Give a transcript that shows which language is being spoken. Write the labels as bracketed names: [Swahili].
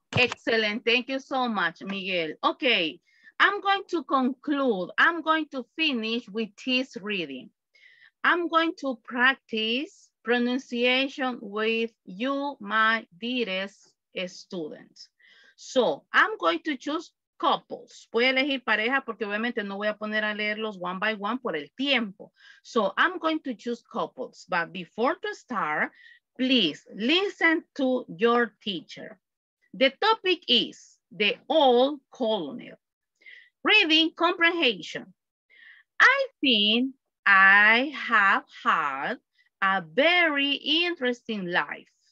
[English] Excellent. Thank you so much, Miguel. Okay. I'm going to conclude. I'm going to finish with this reading. I'm going to practice pronunciation with you, my dearest students. So I'm going to choose couples. [Spanish] Voy a elegir pareja porque obviamente no voy a poner a leerlos [English] one by one [Spanish] por el tiempo. [English] So I'm going to choose couples. But before to start, please listen to your teacher. The topic is the old colonel. Reading comprehension. I think I have had a very interesting life.